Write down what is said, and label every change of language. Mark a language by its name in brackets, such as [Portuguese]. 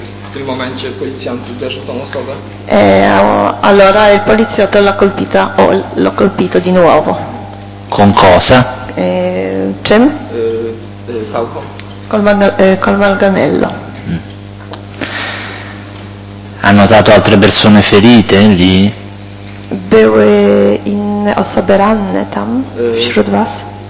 [Polish] W tym momencie policjant uderzył tą osobę. [Italian] Allora il poliziotto l'ha colpito di nuovo. Con cosa? [Polish] Czym? Pałką. [Italian] Col manganello. Ha notato altre persone ferite lì? [Polish] Były inne osoby ranne tam wśród was?